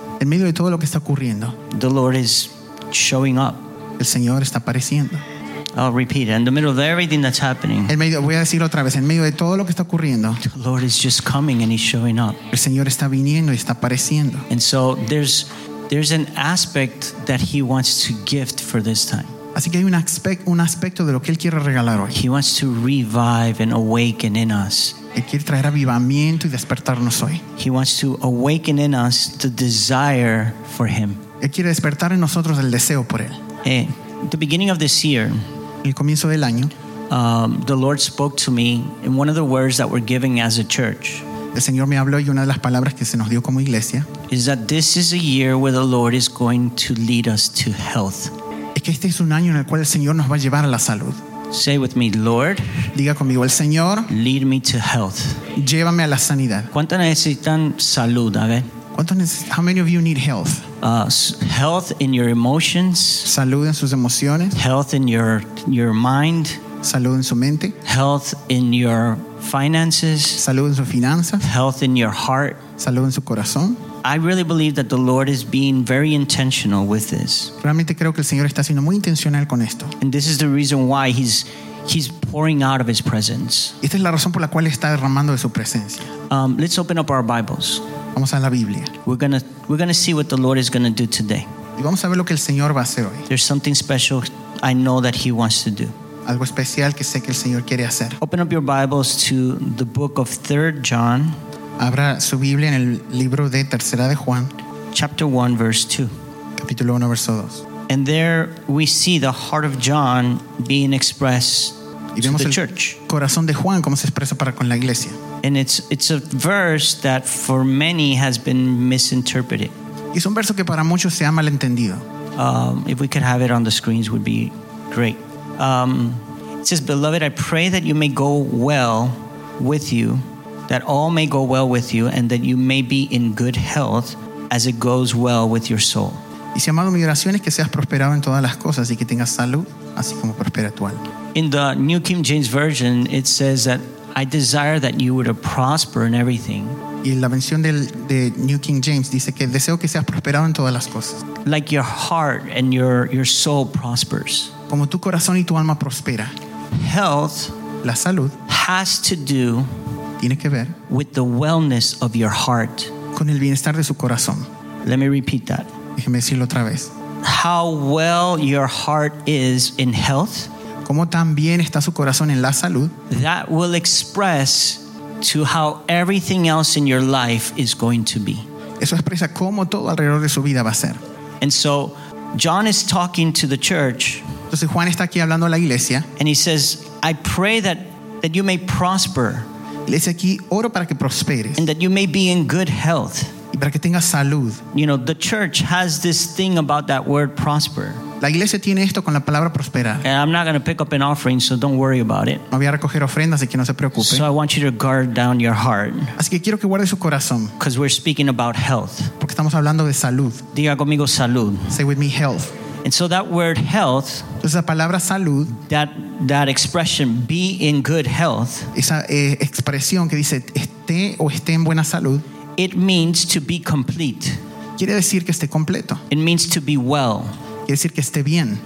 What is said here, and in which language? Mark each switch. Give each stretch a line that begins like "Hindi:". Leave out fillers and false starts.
Spanish: en medio de todo lo que está ocurriendo,
English: the Lord is showing up.
Spanish: El Señor está apareciendo.
English: I'll repeat it. In the middle of everything that's happening,
Spanish: voy a decirlo otra vez. En medio de todo lo que está ocurriendo,
English: the Lord is just coming and He's showing up.
Spanish: El Señor está viniendo y está apareciendo.
English: And so there's an aspect that He wants to gift for this time.
Spanish: Así que hay un aspecto de lo que Él quiere regalar hoy.
English: He wants to revive and awaken in us.
Spanish: Él quiere traer avivamiento y despertarnos hoy.
English: He wants to awaken in us the desire for Him.
Spanish: Él quiere despertar en nosotros el deseo por Él. Hey.
English: At the beginning of this year,
Spanish: el comienzo del año,
English: the Lord spoke to me in one of the words that we're giving as a church.
Spanish: El Señor me habló y una de las palabras que se nos dio como iglesia
English: is that this is a year where the Lord is going to lead us to health.
Spanish: Es que este es un año en el cual el Señor nos va a llevar a la salud.
English: Say with me, Lord.
Spanish: Diga conmigo, el Señor.
English: Lead me to health.
Spanish: Llévame a la sanidad. ¿Cuánto necesitan salud, a ver?
English: How many of you need health? Health in your emotions.
Spanish: Salud en sus emociones.
English: Health in your mind.
Spanish: Salud en su mente.
English: Health in your finances.
Spanish: Salud en sus finanzas.
English: Health in your heart.
Spanish: Salud en su corazón.
English: I really believe that the Lord is being very intentional with this.
Spanish: Realmente creo que el Señor está siendo muy intencional con esto.
English: And this is the reason why he's pouring out of His presence.
Spanish: Esta es la razón por la cual está derramando de su presencia.
English: Let's open up our Bibles.
Spanish: Vamos a la Biblia.
English: We're gonna see what the Lord is gonna do today.
Spanish: Y vamos a ver lo que el Señor va a hacer hoy.
English: There's something special I know that He wants to do.
Spanish: Algo especial que sé que el Señor quiere hacer.
English: Open up your Bibles to the book of 3 John.
Spanish: Abra su Biblia en el libro de Tercera de Juan.
English: Chapter 1, verse 2.
Spanish: Capítulo 1, verso 2.
English: And there we see the heart of John being expressed to the church.
Spanish: Corazón de Juan cómo se expresa para con la iglesia.
English: And it's a verse that for many has been misinterpreted.
Spanish: Es un verso que para muchos se ha malentendido.
English: If we could have it on the screens, would be great. It says, "Beloved, I pray that you may go well with you, that all may go well with you, and that you may be in good health as it goes well with your soul."
Spanish: Y si amado, mi oración es que seas prosperado en todas las cosas y que tengas salud, así como prospera tu alma.
English: In the New King James Version, it says that I desire that you would prosper in everything.
Spanish: Y la versión de New King James dice que deseo que seas prosperado en todas las cosas.
English: Like your heart and your soul prospers.
Spanish: Como tu corazón y tu alma prospera.
English: Health,
Spanish: la salud,
English: has to do,
Spanish: tiene que ver,
English: with the wellness of your heart.
Spanish: Con el bienestar de su corazón.
English: Let me repeat that.
Spanish: Déjeme decirlo otra vez.
English: How well your heart is in health.
Spanish: Cómo tan bien está su corazón en la salud.
English: That will express to how everything else in your life is going to be.
Spanish: Eso expresa cómo todo alrededor de su vida va a ser.
English: And so John is talking to the church.
Spanish: Entonces Juan está aquí hablando a la iglesia.
English: And he says, I pray that you may prosper.
Spanish: Le dice aquí, oro para que prosperes.
English: And that you may be in good health.
Spanish: Y para que tengas salud.
English: You know, the church has this thing about that word prosper.
Spanish: La iglesia tiene esto con la palabra prosperar.
English: And I'm not going to pick up an offering, so don't worry about it.
Spanish: No voy a recoger ofrendas, así que no se preocupe.
English: So I want you to guard down your heart.
Spanish: Así que quiero que guarde su corazón.
English: Because we're speaking about health.
Spanish: Porque estamos hablando de salud. Diga conmigo salud.
English: Say with me health. And so that word health,
Spanish: esa palabra salud,
English: that expression be in good health,
Spanish: esa expresión que dice esté o esté en buena salud,
English: it means to be complete.
Spanish: Quiere decir que esté completo.
English: It means to be well.
Spanish: Quiere decir que esté bien.